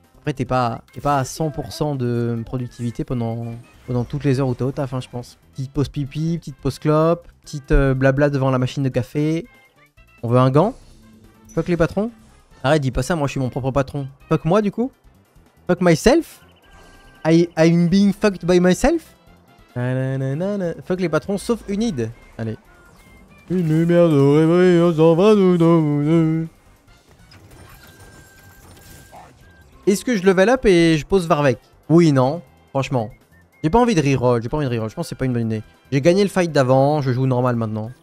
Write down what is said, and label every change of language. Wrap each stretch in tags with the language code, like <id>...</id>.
<fr>Après, t'es pas à 100% de productivité pendant toutes les heures où t'as au taf, hein, je pense. Petite pause pipi, petite pause clope, petite blabla devant la machine de café. On veut un gant? Fuck les patrons? Arrête, dis pas ça, moi je suis mon propre patron. Fuck moi, du coup?</fr> <en>Fuck myself? I'm being fucked by myself?</en> <fr>Nanana. Fuck les patrons, sauf Unid. Allez. Une lumière de réveil, on s'en va nous dominer. Est-ce que je level up et je pose Varvek? Oui, non, franchement. J'ai pas envie de reroll, je pense que c'est pas une bonne idée. J'ai gagné le fight d'avant, je joue normal maintenant.</fr>